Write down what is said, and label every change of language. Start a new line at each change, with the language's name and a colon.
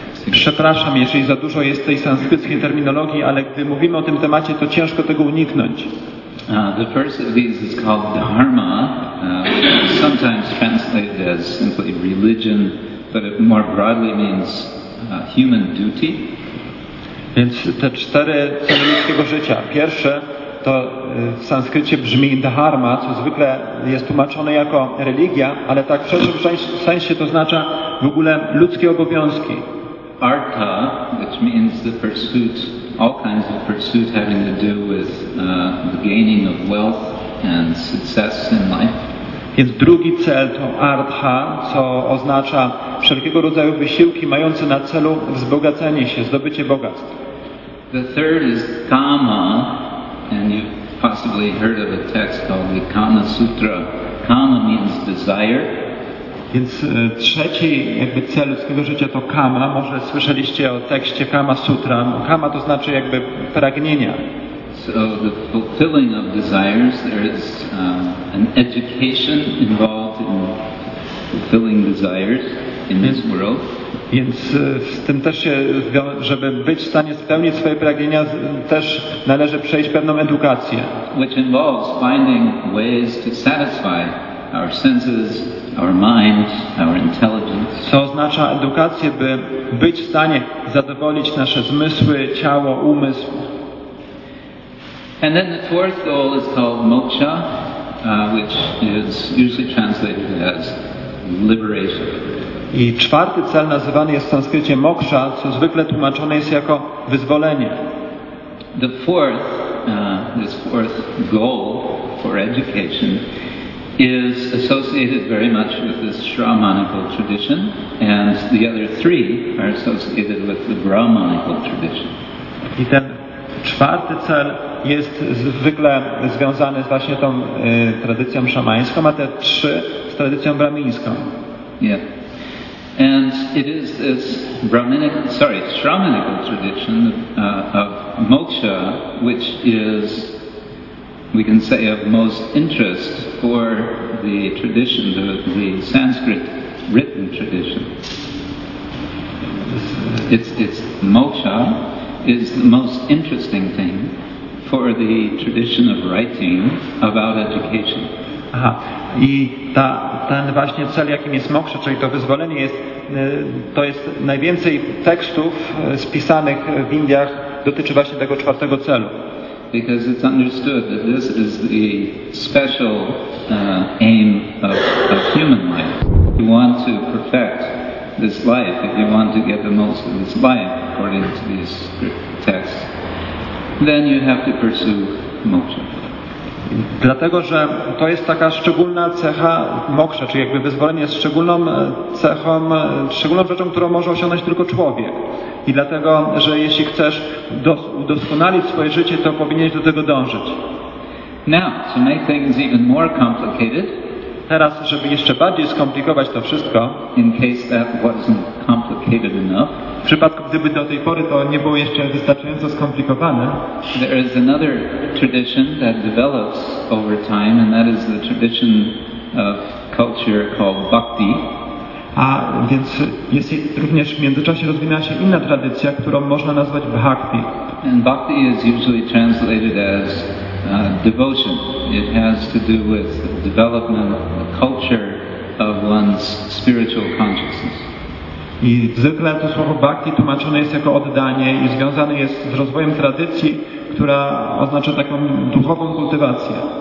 Polish: Przepraszam, jeżeli za dużo jest tej sanskryckiej terminologii, ale gdy mówimy o tym temacie, to ciężko tego uniknąć.
English: The first of these is called Dharma, sometimes translated as simply religion, but it more broadly means human duty.
Polish: Więc te cztery cele ludzkiego życia. Pierwsze to w sanskrycie brzmi dharma, co zwykle jest tłumaczone jako religia, ale tak w szerszym sensie to oznacza w ogóle ludzkie obowiązki.
English: Artha, which means the pursuit, all kinds of pursuit having to do with the gaining of wealth and success in life.
Polish: Więc drugi cel to artha, co oznacza wszelkiego rodzaju wysiłki mające na celu wzbogacenie się, zdobycie bogactw.
English: The third is kama. And you've possibly heard of a text called the Kama Sutra. Kama means desire.
Polish: Więc trzeci jakby cel ludzkiego życia to kama. Może słyszeliście o tekście Kama Sutra. Kama to znaczy jakby pragnienia.
English: So the fulfilling of desires, there is an education involved in fulfilling desires in this world.
Polish: Więc z tym też się, żeby być w stanie spełnić swoje pragnienia, też należy przejść pewną edukację.
English: Which involves finding ways to satisfy our senses, our minds, our intelligence.
Polish: Co oznacza edukację, by być w stanie zadowolić nasze zmysły, ciało, umysł.
English: And then the fourth goal is called moksha, which is usually translated as liberation.
Polish: I czwarty cel nazywany jest w sanskrycie moksha, co zwykle tłumaczone jest jako wyzwolenie.
English: The fourth, this fourth goal for education is associated very much with this Shramanical tradition, and the other three are associated with the Brahmanical tradition.
Polish: I ten czwarty cel jest zwykle związany z właśnie tą tradycją szamańską, a te trzy z tradycją brahmińską.
English: Yeah. And it is this Shramanical tradition of moksha, which is, we can say, of most interest for the tradition, the Sanskrit written tradition. It's moksha is the most interesting thing for the tradition of writing about education. Aha.
Polish: I ten właśnie cel, jakim jest moksza, czyli to wyzwolenie, jest, to jest najwięcej tekstów spisanych w Indiach dotyczy właśnie tego czwartego celu.
English: Because it's understood that this is the special aim of human life. If you want to perfect this life, if you want to get the most of this life according to these texts, then you have to pursue moksha.
Polish: Dlatego, że to jest taka szczególna cecha moksza, czyli jakby wyzwolenie jest szczególną cechą, szczególną rzeczą, którą może osiągnąć tylko człowiek. I dlatego, że jeśli chcesz udoskonalić swoje życie, to powinieneś do tego dążyć.
English: Now, to make things even more complicated,
Polish: teraz, żeby jeszcze bardziej skomplikować to wszystko,
English: in case that wasn't complicated enough,
Polish: w przypadku gdyby do tej pory to nie było jeszcze wystarczająco skomplikowane,
English: there is another tradition that develops over time, and that is the tradition of culture called bhakti.
Polish: A więc jest również w międzyczasie rozwinęła się inna tradycja, którą można nazwać bhakti.
English: And bhakti is usually translated as devotion. It has to do with the development of the culture of one's spiritual consciousness.
Polish: I zwykle to słowo bhakti tłumaczone jest jako oddanie i związane jest z rozwojem tradycji, która oznacza taką duchową kultywację.